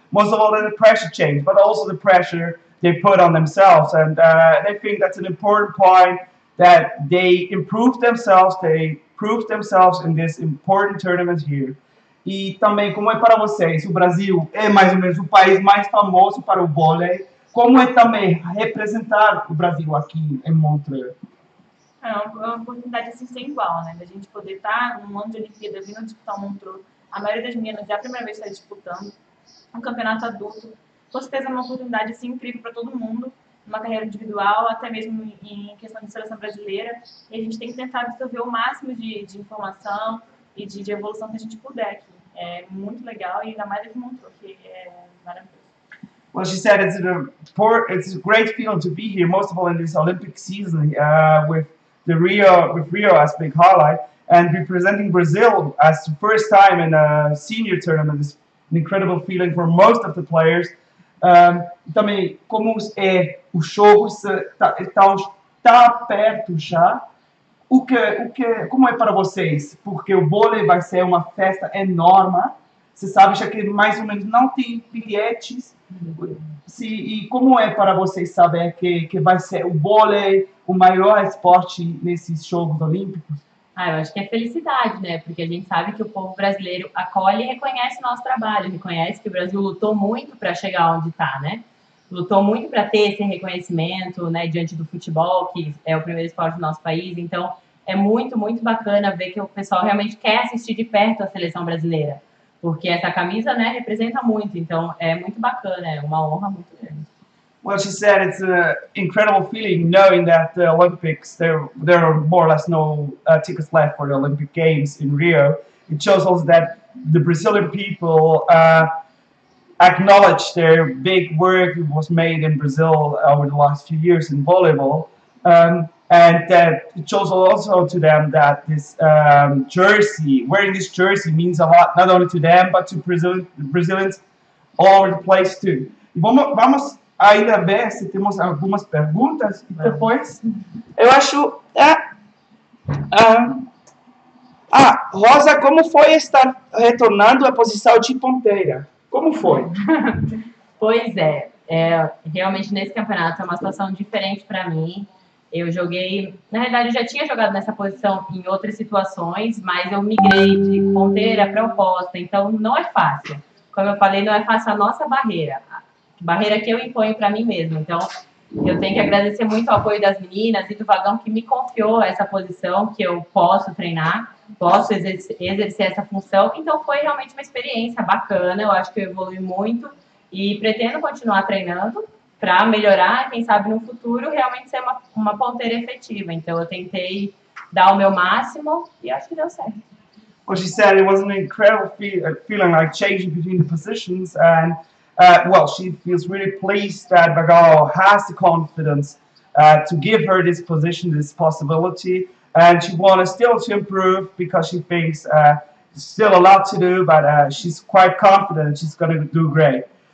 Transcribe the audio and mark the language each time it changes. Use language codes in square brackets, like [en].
[en] Most of all, the pressure change, but also the pressure they put on themselves. And they think that's an important point that they improved themselves. They proved themselves in this important tournament here. [pt] E também, como é para vocês, o Brasil é mais ou menos o país mais famoso para o vôlei. Como é também representar o Brasil aqui em Montreux? É uma oportunidade assim, sem igual, né? A gente poder estar num ano de Olimpíada, vindo disputar o Montreux. A maioria das meninas é a primeira vez que está disputando. um campeonato adulto. Com certeza é uma oportunidade assim, incrível para todo mundo, numa carreira individual, até mesmo em questão de seleção brasileira. E a gente tem que tentar absorver o máximo de informação e de evolução que a gente puder aqui. É muito legal e ainda mais ele montou, que é maravilhoso. [en] Well, she said it's a great feeling to be here, most of all in this Olympic season, with Rio as big highlight, and representing Brazil as the first time in a senior tournament is an incredible feeling for most of the players. [pt] Também, como é o jogo, está perto já, como é para vocês? Porque o vôlei vai ser uma festa enorme. Você sabe já que mais ou menos não tem bilhetes. Sim, e como é para vocês saber que vai ser o vôlei o maior esporte nesses Jogos Olímpicos? Ah, eu acho que é felicidade, né? Porque a gente sabe que o povo brasileiro acolhe e reconhece o nosso trabalho, reconhece que o Brasil lutou muito para chegar onde está, né? Lutou muito para ter esse reconhecimento, né, diante do futebol, que é o primeiro esporte do nosso país. Então, é muito, muito bacana ver que o pessoal realmente quer assistir de perto a seleção brasileira. Porque essa camisa, né, representa muito, então é muito bacana, é uma honra muito grande. [en] Well, she said it's an incredible feeling knowing that the Olympics, there are more or less no tickets left for the Olympic Games in Rio. It shows also that the Brazilian people acknowledge their big work was made in Brazil over the last few years in volleyball. And that it shows also to them that this jersey, wearing this jersey means a lot, not only to them, but to Brazilians all over the place too. [pt] Vamos ainda ver se temos algumas perguntas depois. Eu acho... Rosa, como foi estar retornando à posição de ponteira? Como foi? Pois é. Realmente, nesse campeonato, é uma situação diferente para mim. Eu joguei, na realidade, eu já tinha jogado nessa posição em outras situações, mas eu migrei de ponteira para oposta, então não é fácil. Como eu falei, não é fácil a nossa barreira, a barreira que eu imponho para mim mesma. Então, eu tenho que agradecer muito o apoio das meninas e do Vagão que me confiou essa posição, que eu posso treinar, posso exercer essa função. Então, foi realmente uma experiência bacana, eu acho que eu evolui muito e pretendo continuar treinando para melhorar, quem sabe no futuro, realmente ser uma ponteira efetiva. Então, eu tentei dar o meu máximo e acho que deu certo. [en] Well, she said it was an incredible feeling like changing between the positions. And, well, she feels really pleased that Bagal has the confidence to give her this position, this possibility. And she wants still to improve because she thinks still a lot to do, but she's quite confident she's going to do great.